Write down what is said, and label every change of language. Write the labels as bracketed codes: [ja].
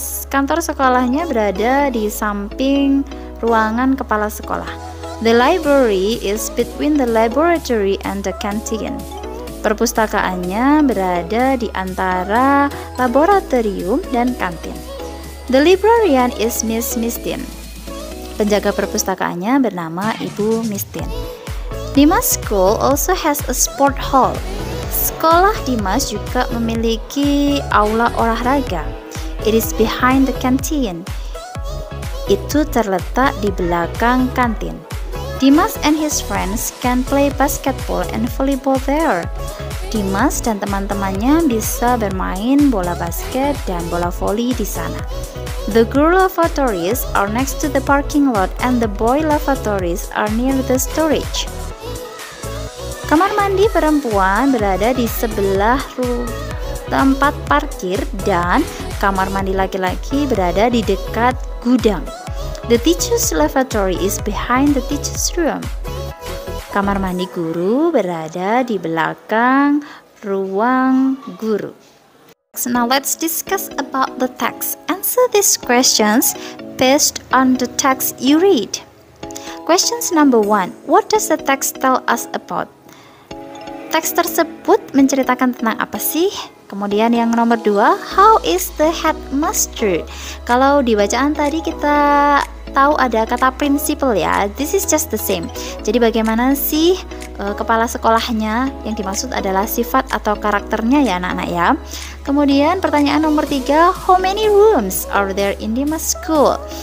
[id] Kantor sekolahnya berada di samping ruangan kepala sekolah. [en] The library is between the laboratory and the canteen. [id] Perpustakaannya berada di antara laboratorium dan kantin. [en] The librarian is Miss Mistin. [id] Penjaga perpustakaannya bernama Ibu Mistin. [en] Dimas School also has a sport hall. [id] Sekolah Dimas juga memiliki aula olahraga. [en] It is behind the canteen. [id] Itu terletak di belakang kantin. [en] Dimas and his friends can play basketball and volleyball there. [id] Dimas dan teman-temannya bisa bermain bola basket dan bola voli di sana. [en] The girl lavatories are next to the parking lot and the boy lavatories are near the storage. [id] Kamar mandi perempuan berada di sebelah tempat parkir dan kamar mandi laki-laki berada di dekat gudang. [en] The teacher's lavatory is behind the teacher's room. [id] Kamar mandi guru berada di belakang [en] Ruang Guru. So now let's discuss about the text. Answer these questions based on the text you read. Questions number one, what does the text tell us about? [id] Text tersebut menceritakan tentang apa sih? Kemudian yang nomor dua, [en] how is the headmaster? [id] Kalau di bacaan tadi kita tahu ada kata principal ya, [en] this is just the same. [id] Jadi bagaimana sih kepala sekolahnya, yang dimaksud adalah sifat atau karakternya ya anak-anak ya. Kemudian pertanyaan nomor tiga, [en] how many rooms are there in Dimas school?